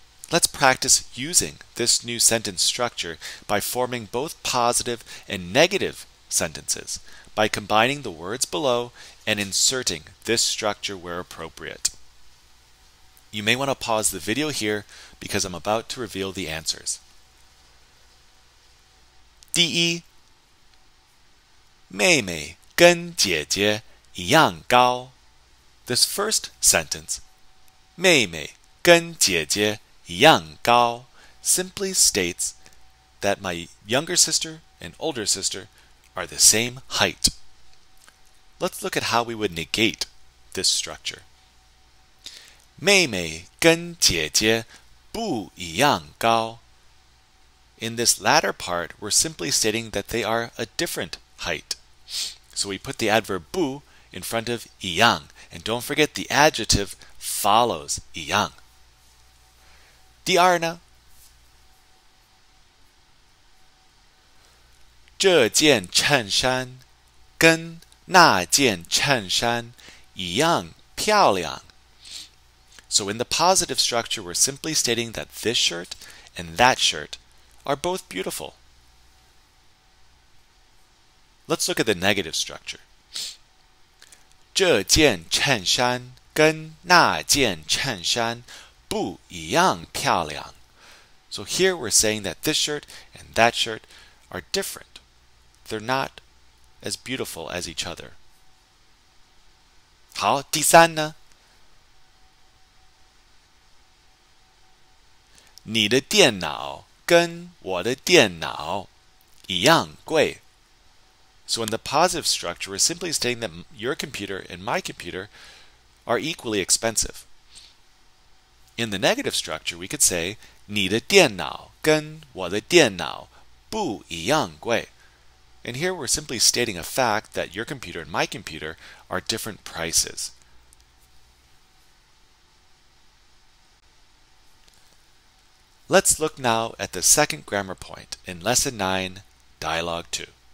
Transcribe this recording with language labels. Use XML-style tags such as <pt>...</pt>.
<en>Let's practice using this new sentence structure by forming both positive and negative sentences. By combining the words below and inserting this structure where appropriate. You may want to pause the video here because I'm about to reveal the answers.</en> <zh>第一，妹妹跟姐姐一样高。</zh> <en>This first sentence,</en> <zh>妹妹跟姐姐一样高,</zh> <en>simply states that my younger sister and older sister are the same height. Let's look at how we would negate this structure.</en> <zh>妹妹跟姐姐不一样高。</zh> <en>In this latter part, we're simply stating that they are a different height. So we put the adverb 不 in front of 一样. And don't forget the adjective follows 一样。</en> <zh>第二呢? 这件衬衫跟那件衬衫一样漂亮。</zh> <en>So in the positive structure, we're simply stating that this shirt and that shirt are both beautiful. Let's look at the negative structure.</en> <zh>这件衬衫跟那件衬衫不一样漂亮。</zh> <en>So here we're saying that this shirt and that shirt are different. They're not as beautiful as each other.</en> <zh>好,第三呢? 你的电脑跟我的电脑一样贵。</zh> <en>So in the positive structure, we're simply stating that your computer and my computer are equally expensive. In the negative structure, we could say,</en> <zh>你的电脑跟我的电脑不一样贵。</zh> <en>And here we're simply stating a fact that your computer and my computer are different prices. Let's look now at the second grammar point in Lesson 9, Dialogue 2.</en>